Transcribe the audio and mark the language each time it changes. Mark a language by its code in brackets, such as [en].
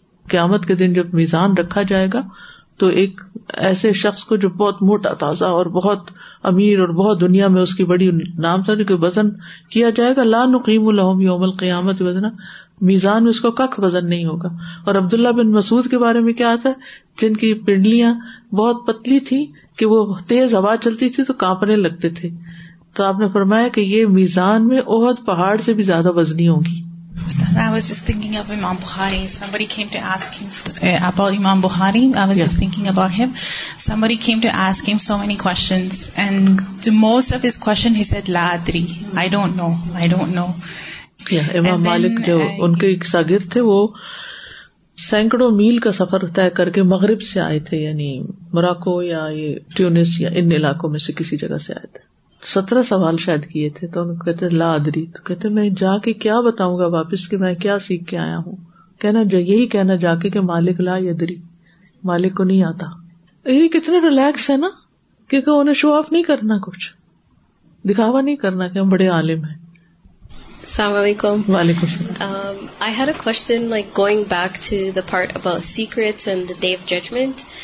[ur] قیامت کے دن جب میزان رکھا جائے گا، تو ایک ایسے شخص کو جو بہت موٹا تازہ اور بہت امیر اور بہت دنیا میں اس کی بڑی نام تھا، کہ وزن کیا جائے گا، [ar] لا نقیم لہم یوم القیامت وزنا، [ur] میزان میں اس کا ککھ وزن نہیں ہوگا. اور عبداللہ بن مسعود کے بارے میں کیا آتا ہے، جن کی پنڈلیاں بہت پتلی تھی کہ وہ تیز ہوا چلتی تھی تو کانپنے لگتے تھے، تو آپ نے فرمایا کہ یہ میزان میں احد پہاڑ سے بھی زیادہ وزنی ہوگی. [en] I was just thinking of Imam Bukhari. Somebody came to ask him about Imam Bukhari. I was just thinking about him. Somebody came to ask him so many questions, and to most of his questions he said, La adri. I don't know. [ur] Yeah, Imam Malik, جو ان کے ایک شاگرد تھے، وہ سینکڑوں میل کا سفر طے کر کے مغرب سے آئے تھے، یعنی موراکو یا یہ ٹیونس یا ان علاقوں میں سے کسی جگہ سے آئے تھے. 17 سوال شاید کیے تھے، تو ان کو کہتے لا ادری، تو کہتے میں جا کے کیا بتاؤں گا واپس کہ میں کیا سیکھ کے آیا ہوں. کہنا جا یہی کہنا جا کے کہ مالک لا ادری، مالک کو نہیں آتا. یہ کتنے ریلیکس ہے نا, کیونکہ انہیں شو آف نہیں کرنا, کچھ دکھاوا نہیں کرنا کہ ہم بڑے عالم ہیں. [ar] Assalamu alaikum. Wa alaikum assalam. [en] I had a question, like going back to the part about secrets and the day of judgment.